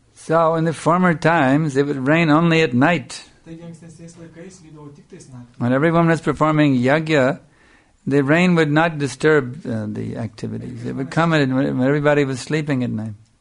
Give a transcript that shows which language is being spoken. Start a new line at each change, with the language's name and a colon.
English: So in the former times, it would rain only at night.
Lithuanian: Taigi ankstesniais laikais lydavo tik tais naktį.
English: When everyone was performing yagya, the rain would not disturb the activities. It would come in when everybody was sleeping at night.